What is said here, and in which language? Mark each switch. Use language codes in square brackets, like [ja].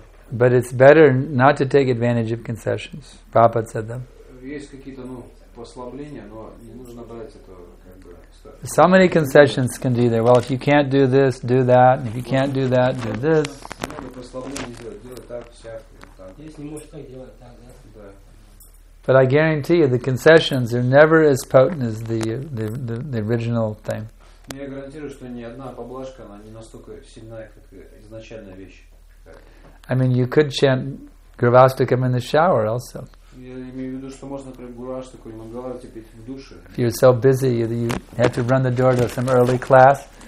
[en] But it's better not to take advantage of concessions. Prabhupada said them. [ru] есть какие-то, ну, послабления, но не нужно брать это как бы. [en] So many concessions can be there. Well, if you can't do this, do that. If you can't do that, do this. [ru] Много послаблений сделать, делать так, сяк, так. Если не можешь так делать, так, да? Да. [en] But I guarantee you, the concessions are never as potent as the original thing. [ru] Я гарантирую, что ни одна поблажка, она не настолько сильная, как изначальная вещь. [en] I mean, you could chant Gurvastakam in the shower also. If you're so busy, you have to run the door to some early class.